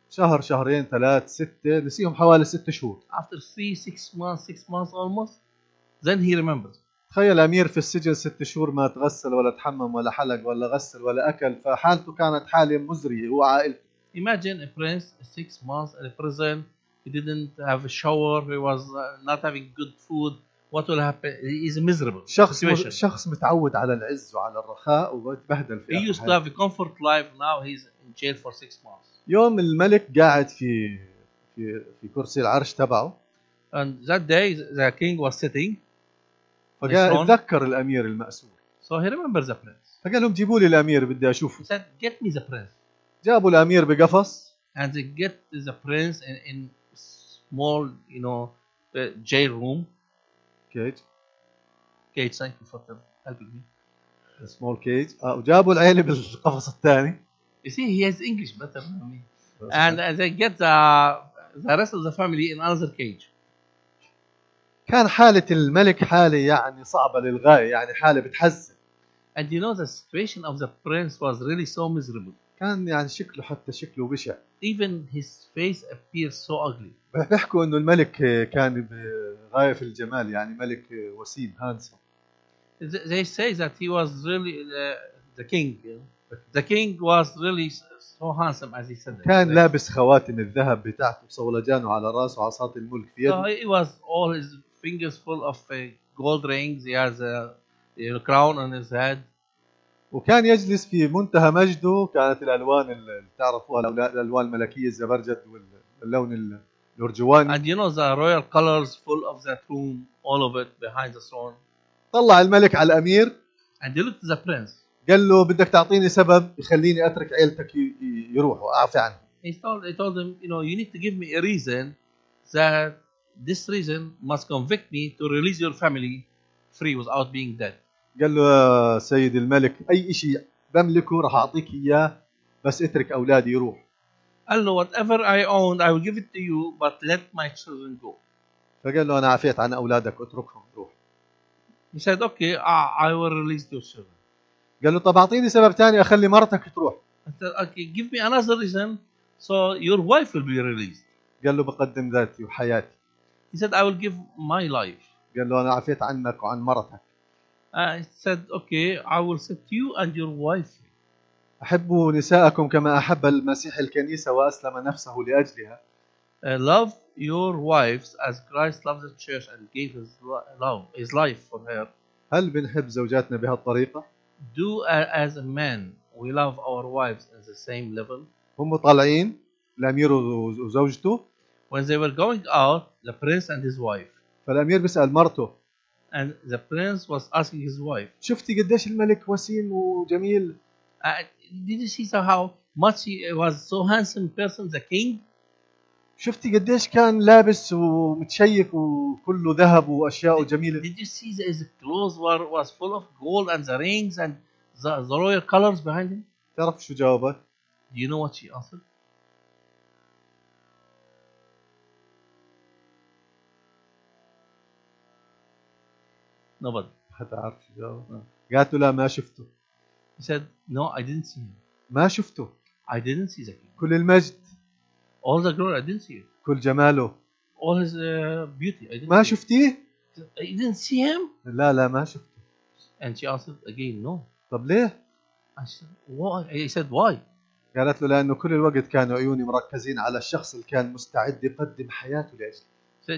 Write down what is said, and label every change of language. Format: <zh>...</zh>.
<ar>شهر شهرين ثلاث ستة نسيهم حوالي ست شهور.</ar> <en>After three, six months almost, then he remembers.</en> <ar>تخيل أمير في السجن ست شهور ما تغسل ولا تحمم ولا حلق ولا غسل ولا أكل فحالته كانت حالة مزرية وعائلته.</ar> <en>Imagine a prince 6 months in prison. He didn't have a shower. He was not having good food. What will happen? He is miserable.</en> <ar>شخص متعود على العز وعلى الرخاء وبهدل في حياته.</ar> <en>He used to have a comfort life. Now he's in jail for 6 months.</en> <ar>يوم الملك قاعد في في في كرسي العرش تبعه.</ar> <en>And that day the king was sitting.</en> <ar>فقال اتذكر الأمير المأسور.</ar> <en>So he remembers the prince.</en> <ar>فقال لهم جيبوا لي الأمير بدي أشوفه.</ar> <en>He said, get me the prince.</en> <ar>جابوا الأمير بقفص.</ar> <en>And they get the prince in small, you know, jail room. Cage. Cage, thank you for helping me. A small cage.</en> <ar>وجابوا العيلة بالقفص الثاني.</ar> <en>You see, he has English better than me. And they get the rest of the family in another cage.</en> <ar>كان حالة الملك حالة يعني صعبة للغاية يعني حالة بتحزن.</ar> <en>And you know the situation of the prince was really so miserable.</en> <ar>كان يعني شكله حتى شكله بشع.</ar> <en>Even his face appears so ugly.</en> <ar>بحكوا إنه الملك كان بغاية في الجمال يعني ملك وسيم هانسون.</ar> <en>They say that he was really the king. The king was really so handsome as he said.</en> <ar>كان لابس خواتم الذهب بتاعته صولجانه على رأسه وعصات الملك في يده.</ar> <en>So he was all his fingers full of gold rings. He has a crown on his head.</en> <ar>وكان يجلس في منتهى مجده. كانت الألوان اللي تعرفوها الألوان الملكية الزبرجد واللون الأرجواني.</ar> <en>And you know the royal colors full of that room, all of it behind the throne.</en> <ar>طلع الملك على الأمير.</ar> <en>And he looked at the prince.</en> <ar>قال له بدك تعطيني سبب يخليني أترك عيلتك يروح وأعفي عنه.</ar> <en>He told him, you know, you need to give me a reason that this reason must convict me to release your family free without being dead.</en> <ar>قال له سيد الملك أي إشي بملكه رح أعطيك إياه بس اترك أولادي يروح. قال له</ar> <en>whatever I own I will give it to you but let my children go.</en> <ar>فقال له أنا عافيت عن أولادك اتركهم روح.</ar> <en>He said okay I will release your children.</en> <ar>قال له طب أعطيني سبب تاني أخلي مرتك تروح.</ar> <en>He said okay give me another reason so your wife will be released.</en> <ar>قال له بقدم ذاتي وحياتي.</ar> <en>He said I will give my life.</en> <ar>قال له أنا عافيت عنك وعن مرتك.</ar> <en>I said, okay, I will set you and your wife.</en> <ar>أحب نساءكم كما أحب المسيح الكنيسة وأسلم نفسه لأجلها.</ar> <en>Love your wives as Christ loved the church and gave his love, his life for her.</en> <ar>هل بنحب زوجاتنا بهالطريقة؟</ar> <en>Do as a man, we love our wives at the same level.</en> <ar>هم طالعين الأمير وزوجته.</ar> <en>When they were going out, the prince and his wife.</en> <ar>فالأمير بيسأل مرته.</ar> <en>And the prince was asking his wife.</en> <ar>شفتي قديش الملك وسيم وجميل.</ar> <en>Did you see how much he was so handsome person, the king?</en> <ar>شفتي قديش كان لابس ومتشيك وكله ذهب وأشياء جميلة.</ar> <en>Did you see that his clothes was full of gold and the rings and the royal colors behind him?</en> <ar>تعرف شو جاوبه؟</ar> <en>Do you know what she answered? Nobody.</en> <ar>حتى عارف شو قالت له ما شفته.</ar> <en>He said, no, I didn't see him.</en> <ar>ما شفته.</ar> <en>I didn't see the king.</en> <ar>كل المجد.</ar> <en>All the glory, I didn't see it.</en> <ar>كل جماله.</ar> <en>All his beauty, I didn't</en> <ar>ما شفتيه.</ar> <en>You didn't see him?</en> <ar>لا لا ما شفته.</ar> <en>And she answered again, no.</en> <ar>طب ليه؟</ar> <en>He said, why?</en> <ar>قالت له لأنه كل الوقت كانوا عيوني مركزين على الشخص اللي كان مستعد يقدم حياته لأجله.</ar>